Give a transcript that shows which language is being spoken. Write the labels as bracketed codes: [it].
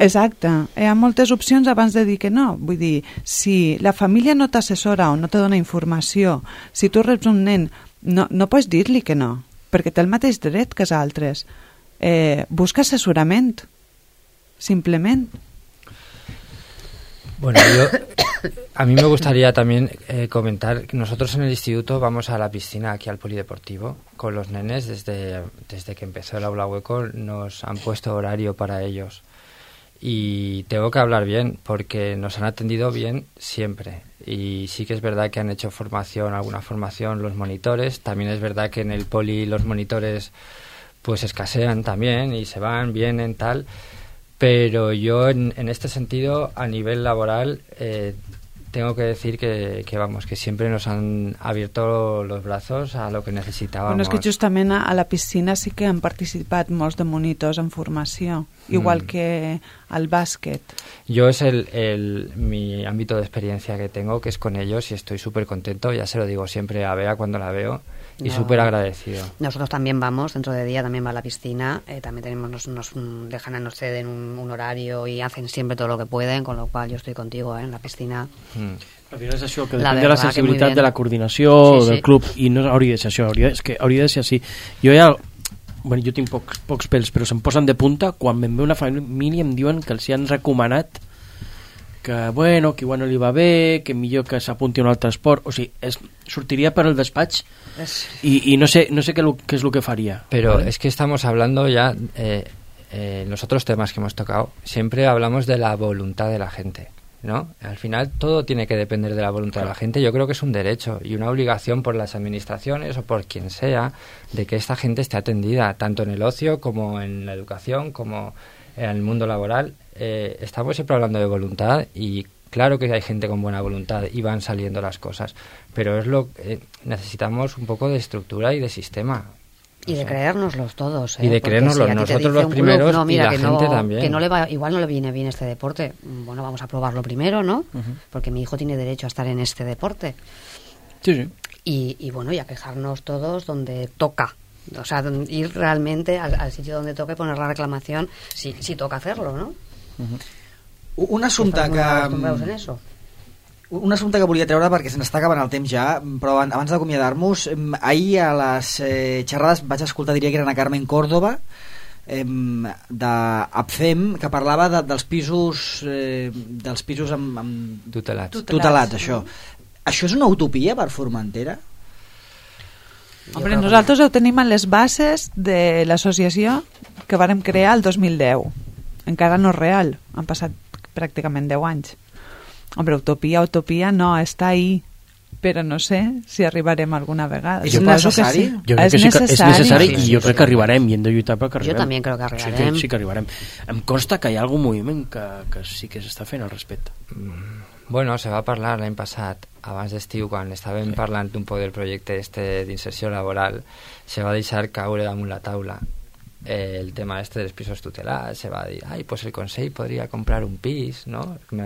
[ca] Exacte, hi ha moltes opcions abans de dir que no. Vull dir, si la família no t'assessora o no te dona informació, si tu reps un nen, no pots dir-li que no, perquè té el mateix dret que els altres. Busca assessorament, simplement. [es] Bueno, yo, a mí me gustaría también comentar que nosotros en el instituto vamos a la piscina aquí al polideportivo con los nenes desde que empezó el aula hueco. Nos han puesto horario para ellos y tengo que hablar bien porque nos han atendido bien siempre. Y sí que es verdad que han hecho formación, alguna formación, los monitores. También es verdad que en el poli los monitores pues escasean también y se van, vienen, tal. Pero yo en este sentido, a nivel laboral, tengo que decir que vamos, que siempre nos han abierto los brazos a lo que necesitábamos. [ca] Bueno, és que justament a la piscina sí que han participat molts de monitors en formació, igual que al bàsquet. [es] Yo es el mi ámbito de experiencia que tengo, que es con ellos, y estoy súper contento, ya se lo digo siempre a Bea cuando la veo. Y no, súper agradecido. Nosotros también vamos, dentro de día también va a la piscina, también tenemos, nos dejan a nosotros en un horario y hacen siempre todo lo que pueden, con lo cual yo estoy contigo en la piscina. [ca] Al final es això, que depèn de la sensibilitat de la coordinació, sí, sí, del club, i no hauria de ser això, hauria de ser així. Jo ja, bueno, jo tinc pocs pèls, però se'm posen de punta quan me'n ve una família i em diuen que els hi han recomanat que bueno, que igual no li va bé, que millor que s'apunti a un altre esport. O sigui, sortiria per al despatx i no sé què és el que faria. Però és, ¿vale? [es] Es que estamos hablando ya, los otros temas que hemos tocado, siempre hablamos de la voluntad de la gente, ¿no? Al final todo tiene que depender de la voluntad de la gente. Yo creo que es un derecho y una obligación por las administraciones o por quien sea de que esta gente esté atendida, tanto en el ocio como en la educación, como en el mundo laboral. Estamos siempre hablando de voluntad y claro que hay gente con buena voluntad y van saliendo las cosas, pero es lo que necesitamos, un poco de estructura y de sistema y de creérnoslos todos, y de creérnoslos nosotros los primeros, no, mira, y la gente también, que no le va, igual no le viene bien este deporte, bueno, vamos a probarlo primero, ¿no? Porque mi hijo tiene derecho a estar en este deporte, sí, sí. Y bueno, y a quejarnos todos donde toca. O sea, ir realmente al sitio donde toque, poner la reclamación, si toca hacerlo, ¿no? [ca] Un assumpte que... Un assumpte que volia treure perquè se n'està acabant el temps ja, però abans d'acomiadar-nos, ahir a les xerrades vaig escoltar, diria que era a Carmen Córdoba, d'APFEM, que parlava dels pisos amb tutelats, això. Això és una utopia per Formentera? Hombre, nosaltres ho tenim en les bases de l'associació que vàrem crear el 2010. Encara no és real, han passat pràcticament 10 anys. Hombre, utopia, no, està ahí, però no sé si arribarem alguna vegada. És necessari? Jo crec que sí, que és necessari, i jo crec que arribarem, i hem de lluitar perquè arribem. Jo també crec que arribarem. Sí, sí que arribarem. Em consta que hi ha algun moviment que sí que s'està fent al respecte. Bueno, se va parlar l'any passat, abans d'estiu, quan estàvem parlant un poc del projecte este d'inserció laboral, se va deixar caure damunt la taula el tema este dels pisos tutelats. Se va dir, ai, pues el Consell podria comprar un pis, no?